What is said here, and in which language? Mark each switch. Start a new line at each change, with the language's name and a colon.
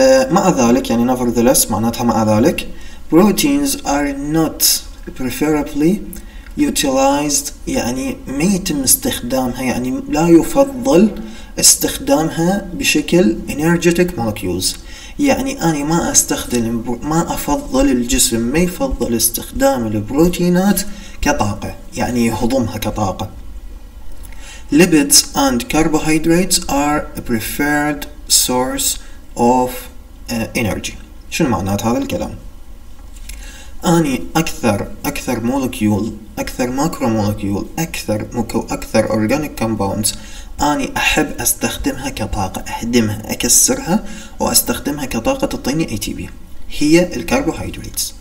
Arabic: مع ذلك يعني نفرلس معناتها مع ذلك،
English: proteins are not preferably utilized،
Arabic: يعني ما يتم استخدامها، يعني لا يفضل استخدامها بشكل energetic molecules. يعني أنا ما أفضل الجسم ما يفضل استخدام البروتينات كطاقة، يعني يهضمها كطاقة.
English: Lipids and carbohydrates are a preferred source of energy.
Arabic: شنو معنات هذا الكلام؟ أنا أكثر مولكيول، أكثر ماكرو مولكيول، أكثر organic compounds أني أحب أستخدمها كطاقة، أهدمها أكسرها وأستخدمها كطاقة تعطيني ATP، هي الكربوهيدرات.